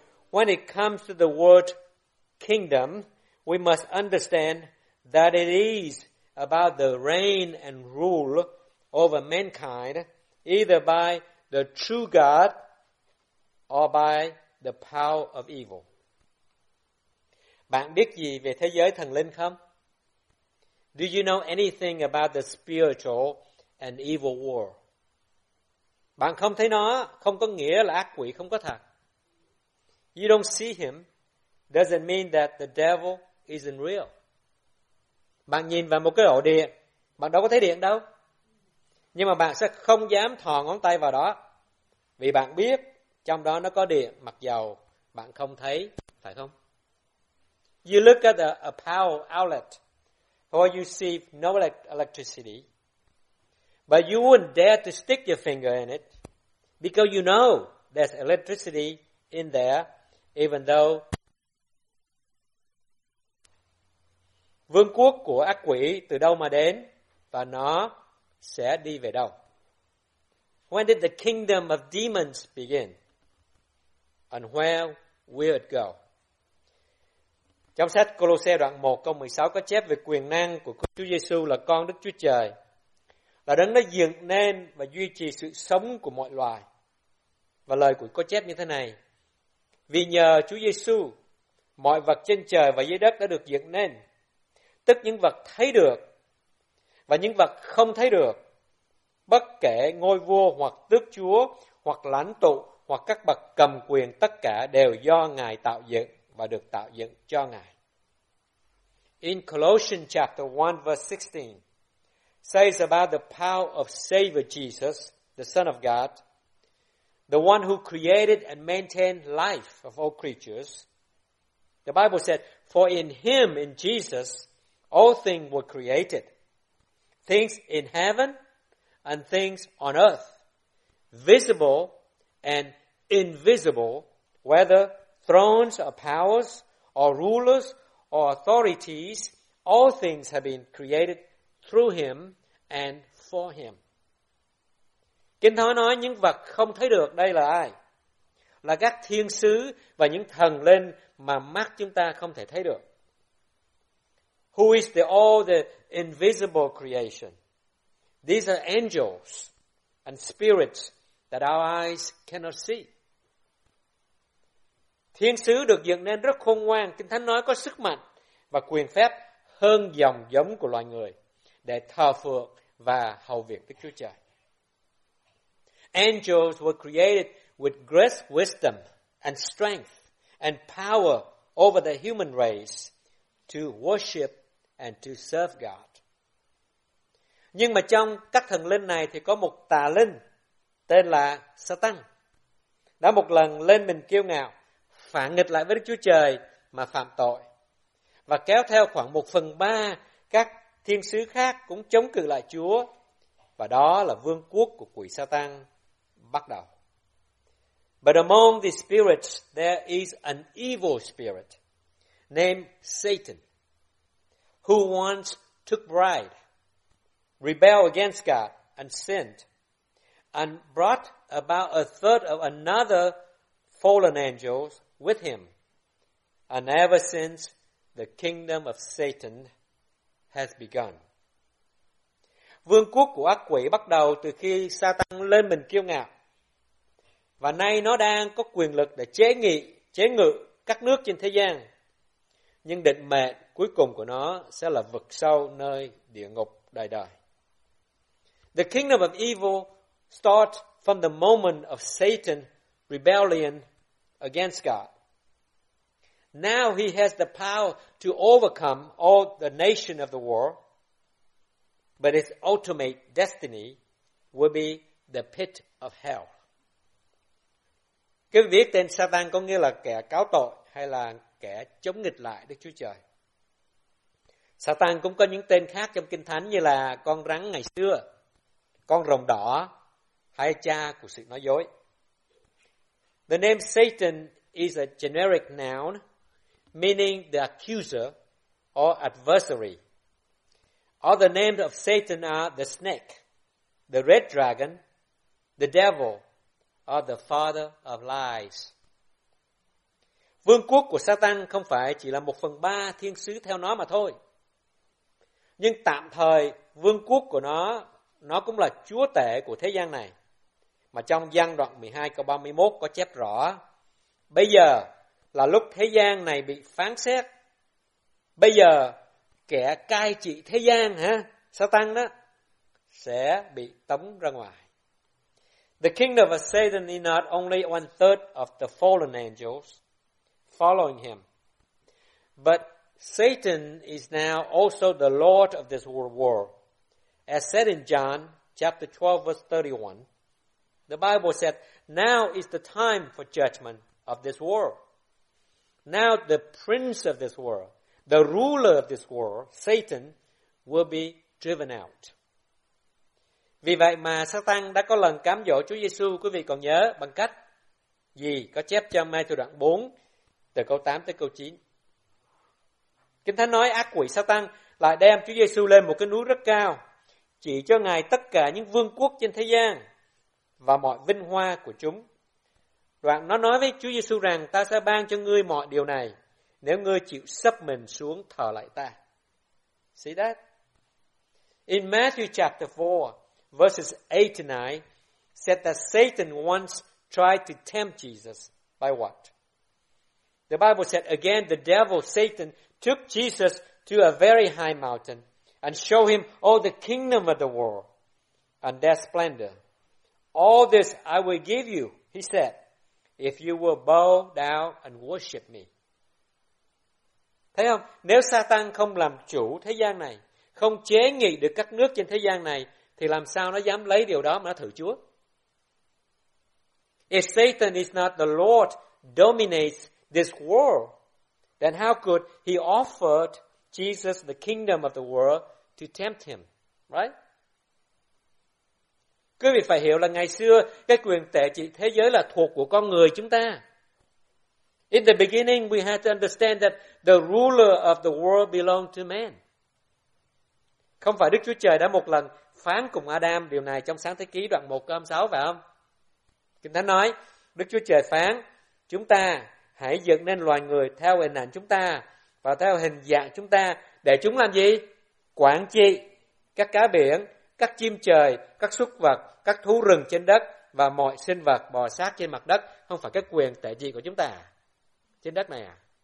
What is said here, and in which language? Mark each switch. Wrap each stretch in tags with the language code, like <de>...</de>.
<en>When it comes to the word kingdom, we must understand that it is about the reign and rule over mankind, either by the true God or by the power of evil.</en> <vi>Bạn biết gì về thế giới thần linh không?</vi> <en>Do you know anything about the spiritual and evil world?</en> <vi>Bạn không thấy nó, không có nghĩa là ác quỷ không có thật.</vi> <en>You don't see him, doesn't mean that the devil isn't real.</en> <vi>Bạn nhìn vào một cái ổ điện, bạn đâu có thấy điện đâu. Nhưng mà bạn sẽ không dám thò ngón tay vào đó, vì bạn biết trong đó nó có điện, mặc dầu bạn không thấy, phải không?</vi> <en>You look at a power outlet, or you see no electricity, but you wouldn't dare to stick your finger in it, because you know there's electricity in there, even though</en> <vi>Vương quốc của ác quỷ từ đâu mà đến và nó sẽ đi về đâu?</vi> <en>When did the kingdom of demons begin? And where will it go?</en> <vi>Trong sách Colossae đoạn 1 câu 16 có chép về quyền năng của Chúa Giêsu là con Đức Chúa Trời, là đấng đã dựng nên và duy trì sự sống của mọi loài. Và lời của có chép như thế này: vì nhờ Chúa Giêsu, mọi vật trên trời và dưới đất đã được dựng nên, tức những vật thấy được và những vật không thấy được, bất kể ngôi vua hoặc tước chúa hoặc lãnh tụ hoặc các bậc cầm quyền, tất cả đều do Ngài tạo dựng và được tạo dựng cho Ngài.</vi> <en>In Colossians chapter 1 verse 16 says about the power of Savior Jesus, the Son of God, the one who created and maintained life of all creatures. The Bible said, for in him, in Jesus, all things were created, things in heaven and things on earth, visible and invisible, whether thrones or powers or rulers or authorities, all things have been created through him and for him.</en> <vi>Kinh Thánh nói những vật không thấy được đây là ai? Là các thiên sứ và những thần linh mà mắt chúng ta không thể thấy được.</vi> <en>Who is the all the invisible creation? These are angels and spirits that our eyes cannot see.</en> <vi>Thiên sứ được dựng nên rất khôn ngoan, Kinh Thánh nói có sức mạnh và quyền phép hơn dòng giống của loài người để thờ phượng và hầu việc Đức Chúa Trời.</vi> <en>Angels were created with great wisdom and strength and power over the human race to worship and to serve God.</en> <vi>Nhưng mà trong các thần linh này thì có một tà linh tên là Satan đã một lần lên mình kiêu ngạo, phản nghịch lại với Đức Chúa Trời mà phạm tội, và kéo theo khoảng 1/3 các thiên sứ khác cũng chống cự lại Chúa, và đó là vương quốc của quỷ Satan bắt đầu.</vi> <en>But among the spirits there is an evil spirit named Satan who once took bride, rebelled against God and sinned, and brought about a third of another fallen angels with him. And ever since, the kingdom of Satan has begun.</en> <vi>Vương quốc của ác quỷ bắt đầu từ khi Satan lên mình kiêu ngạo. Và nay nó đang có quyền lực để chế ngự các nước trên thế gian. Nhưng định mệnh cuối cùng của nó sẽ là vực sâu nơi địa ngục đời đời.</vi> <en>The kingdom of evil starts from the moment of Satan's rebellion against God. Now he has the power to overcome all the nation of the world, but his ultimate destiny will be the pit of hell.</en> <vi>Cái viết tên Satan có nghĩa là kẻ cáo tội hay là kẻ chống nghịch lại Đức Chúa Trời. Satan cũng có những tên khác trong Kinh Thánh như là con rắn ngày xưa, con rồng đỏ hay cha của sự nói dối.</vi> <en>The name Satan is a generic noun meaning the accuser or adversary. Other names of Satan are the snake, the red dragon, the devil, or the father of lies.</en> <vi>Vương quốc của Satan không phải chỉ là 1/3 thiên sứ theo nó mà thôi. Nhưng tạm thời vương quốc của nó cũng là chúa tể của thế gian này. Mà trong Giăng đoạn 12 câu 31 có chép rõ: bây giờ là lúc thế gian này bị phán xét. Bây giờ kẻ cai trị thế gian hả? Satan đó sẽ bị tống ra ngoài.</vi> <en>The kingdom of Satan is not only 1/3 of the fallen angels following him, but Satan is now also the lord of this world war. As said in John chapter 12 verse 31, the Bible said, now is the time for judgment of this world. Now the prince of this world, the ruler of this world, Satan, will be driven out.</en> <vi>Vì vậy mà Satan đã có lần cám dỗ Chúa Giêsu, quý vị còn nhớ bằng cách gì? Có chép trong Matthew đoạn 4 từ câu 8 tới câu 9. Kinh Thánh nói ác quỷ Satan lại đem Chúa Giêsu lên một cái núi rất cao, chỉ cho Ngài tất cả những vương quốc trên thế gian và mọi vinh hoa của chúng. Đoạn nó nói với Chúa Giêsu rằng: ta sẽ ban cho ngươi mọi điều này nếu ngươi chịu sấp mình xuống thờ lại ta.</vi> <en>See that? In Matthew chapter 4, verses 8 to 9, said that Satan once tried to tempt Jesus by what? The Bible said again, the devil, Satan, took Jesus to a very high mountain and showed him all the kingdom of the world and their splendor. All this I will give you, he said, if you will bow down and worship me.</en> <vi>Thấy không? Nếu Satan không làm chủ thế gian này, không chế nghị được các nước trên thế gian này, thì làm sao nó dám lấy điều đó mà nó thử Chúa?</vi> <en>If Satan is not the Lord dominates this world, then how could he offer Jesus the kingdom of the world to tempt him? Right?</en> <vi>Quý vị phải hiểu là ngày xưa cái quyền tể trị thế giới là thuộc của con người chúng ta.</vi> <en>In the beginning, we had to understand that the ruler of the world belonged to man.</en> <vi>Không phải Đức Chúa Trời đã một lần phán cùng Adam điều này trong Sáng Thế Ký đoạn 1 câu 6 phải không? Kinh Thánh nói, Đức Chúa Trời phán, chúng ta hãy dựng nên loài người theo hình ảnh chúng ta và theo hình dạng chúng ta để chúng làm gì? Quản trị các cá biển, các chim trời, các súc vật, các thú rừng trên đất và mọi sinh vật bò sát trên mặt đất, không phải cái quyền tể trị của chúng ta trên đất này à?</vi>